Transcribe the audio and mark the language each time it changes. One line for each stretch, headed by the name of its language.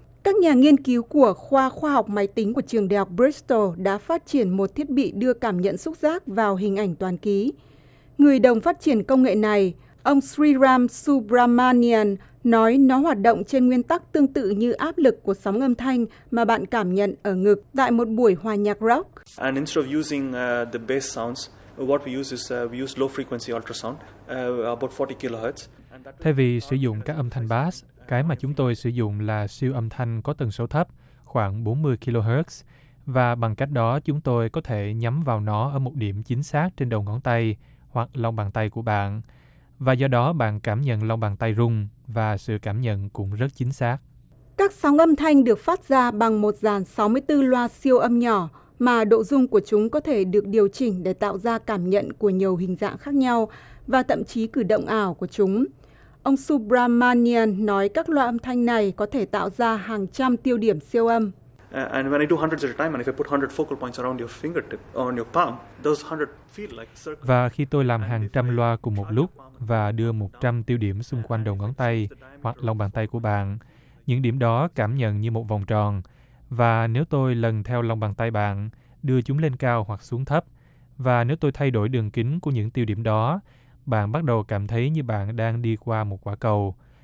Vietnamese: Các nhà nghiên cứu của khoa khoa học máy tính của trường đại học Bristol đã phát triển một thiết bị đưa cảm nhận xúc giác vào hình ảnh toàn ký. Người đồng phát triển công nghệ này, ông Sriram Subramanian, nói nó hoạt động trên nguyên tắc tương tự như áp lực của sóng âm thanh mà bạn cảm nhận ở ngực tại một buổi hòa nhạc rock.
English: And instead of using the bass sounds, what we use is we use low frequency ultrasound, about 40 kHz.
Vietnamese: Thay vì sử dụng các âm thanh bass, cái mà chúng tôi sử dụng là siêu âm thanh có tần số thấp, khoảng 40 kHz, và bằng cách đó chúng tôi có thể nhắm vào nó ở một điểm chính xác trên đầu ngón tay hoặc lòng bàn tay của bạn. Và do đó bạn cảm nhận lòng bàn tay rung và sự cảm nhận cũng rất chính xác. Các sóng âm thanh được phát ra bằng một dàn 64 loa siêu âm nhỏ mà độ rung của chúng có thể được điều chỉnh để tạo ra cảm nhận của nhiều hình dạng khác nhau và thậm chí cử động ảo của chúng. Ông Subramanian nói các loa âm thanh này có thể tạo ra hàng trăm tiêu điểm siêu âm.
English: And when I do hundreds at a time, and if I put 100 focal points around your fingertip or on your palm, those 100 feel like circles.
Vietnamese: Và khi tôi làm hàng trăm loa cùng một lúc và đưa 100 tiêu điểm xung quanh đầu ngón tay hoặc lòng bàn tay của bạn, những điểm đó cảm nhận như một vòng tròn. Và nếu tôi lần theo lòng bàn tay bạn, đưa chúng lên cao hoặc xuống thấp, và nếu tôi thay đổi đường kính của những tiêu điểm đó, bạn bắt đầu cảm thấy như bạn đang đi qua một quả cầu.